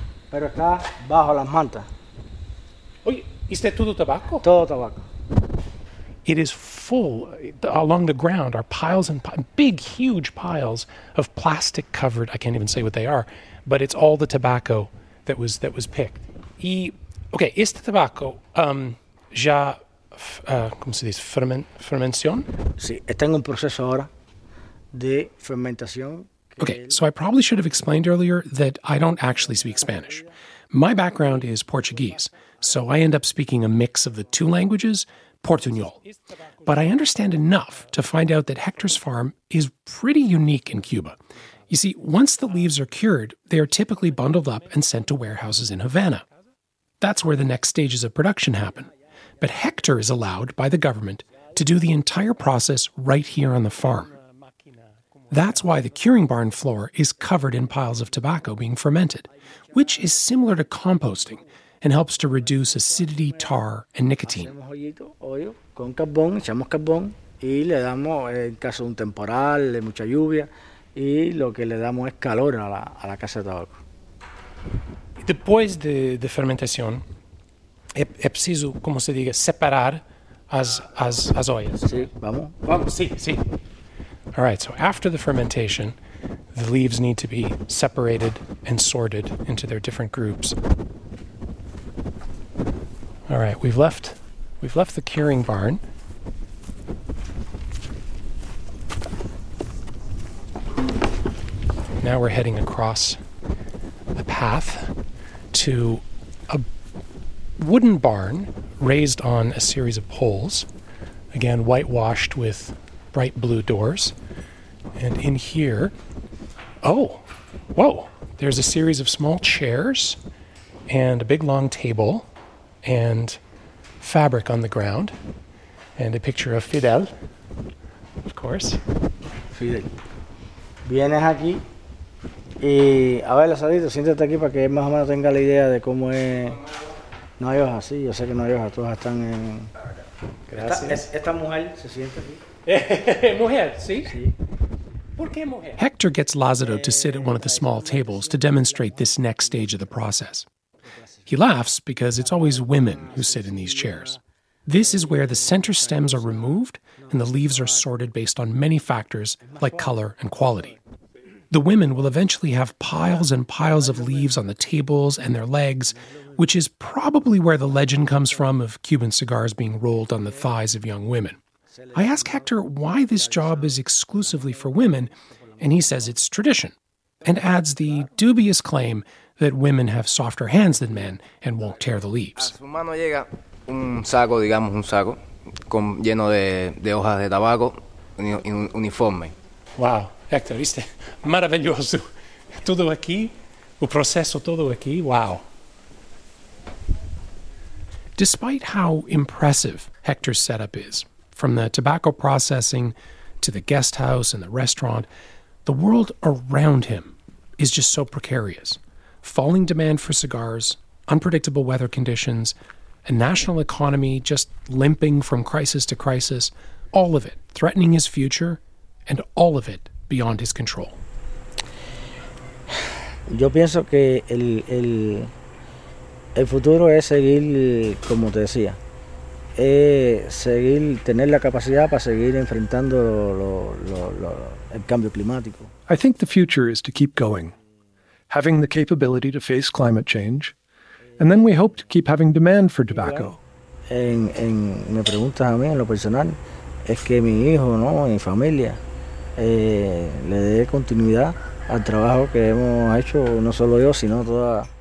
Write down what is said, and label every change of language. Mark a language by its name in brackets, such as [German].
[Spanish] Pero está bajo las mantas. Oye, ¿está todo tabaco? Todo tabaco. [English] It is full. Along the ground are piles and big, huge piles of plastic covered. I can't even say what they are, but it's all the tobacco that was picked. [Spanish] Y, okay, este tabaco ya, ¿cómo se dice? Fermentación. Sí, está en un proceso ahora de fermentación. [English] Okay, so I probably should have explained earlier that I don't actually speak Spanish. My background is Portuguese, so I end up speaking a mix of the two languages, Portuñol. But I understand enough to find out that Hector's farm is pretty unique in Cuba. You see, once the leaves are cured, they are typically bundled up and sent to warehouses in Havana. That's where the next stages of production happen. But Hector is allowed by the government to do the entire process right here on the farm. That's why the curing barn floor is covered in piles of tobacco being fermented, which is similar to composting and helps to reduce acidity, tar, and nicotine. [Spanish] Con carbón, echamos carbón y le damos en caso de un temporal, de mucha lluvia, y lo que le damos es calor a la casa de tabaco. Después de la fermentación, es preciso, como se diga, separar las ollas. Sí, vamos. Vamos, sí, sí. [English] All right, so after the fermentation, the leaves need to be separated and sorted into their different groups. All right, we've left the curing barn. Now we're heading across a path to a wooden barn raised on a series of poles, again, whitewashed with bright blue doors. And in here, oh, whoa, there's a series of small chairs and a big long table and fabric on the ground and a picture of Fidel, of course. [Spanish] Fidel, vienes aquí y a ver, Lazarito, siéntate aquí para que más o menos tenga la idea de cómo es. No hay hojas, sí, yo sé que no hay hojas, todas están en. Gracias. Esta mujer se siente aquí. Mujer, sí? Sí. [English] Hector gets Lázaro to sit at one of the small tables to demonstrate this next stage of the process. He laughs because it's always women who sit in these chairs. This is where the center stems are removed and the leaves are sorted based on many factors like color and quality. The women will eventually have piles and piles of leaves on the tables and their legs, which is probably where the legend comes from of Cuban cigars being rolled on the thighs of young women. I ask Hector why this job is exclusively for women, and he says it's tradition, and adds the dubious claim that women have softer hands than men and won't tear the leaves. [Spanish] A su mano llega un saco, digamos, un saco con, lleno de hojas de tabaco y un uniforme. Wow, Hector, viste, maravilloso. Todo aquí, el proceso todo aquí, wow. [English] Despite how impressive Hector's setup is, from the tobacco processing to the guest house and the restaurant, the world around him is just so precarious. Falling demand for cigars, unpredictable weather conditions, a national economy just limping from crisis to crisis, all of it threatening his future and all of it beyond his control. [Spanish] Yo pienso que el futuro es seguir como te decía. Seguir, tener la capacidad para seguir enfrentando el cambio climático. [English] I think the future is to keep going. having the capability to face climate change, and then we hope to keep having demand for tobacco. [Spanish] En me preguntas a mí en lo personal, es que mi hijo, ¿no?, mi familia, le dé continuidad al trabajo que hemos hecho, no solo yo, sino toda...